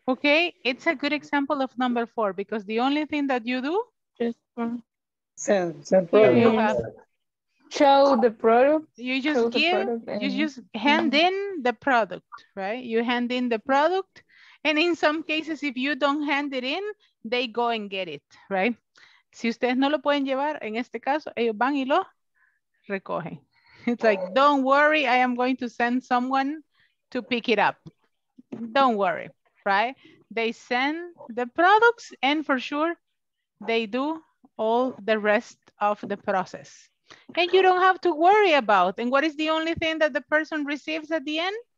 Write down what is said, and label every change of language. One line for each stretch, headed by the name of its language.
English: Okay, it's a good example of number four because the only thing that you do is show the product. You just hand in the product, right? You hand in the product, and in some cases, if you don't hand it in, they go and get it, right?
Spanish: Si ustedes no lo pueden llevar, en este caso, ellos van y lo recogen.
English: It's like, don't worry, I am going to send someone to pick it up. Don't worry, right? They send the products and for sure, they do all the rest of the process. And you don't have to worry about. And what is the only thing that the person receives at the end?